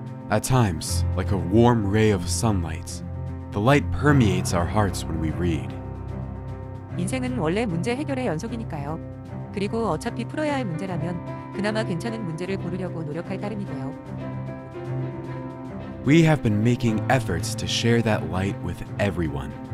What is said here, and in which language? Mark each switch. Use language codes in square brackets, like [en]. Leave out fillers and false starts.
[en] At times, like a warm ray of sunlight, the light permeates our hearts when we read. [ko] 인생은 원래 문제 해결의 연속이니까요. 그리고 어차피 풀어야 할 문제라면 그나마 괜찮은 문제를 고르려고 노력할 따름이고요. [en] We have been making efforts to share that light with everyone.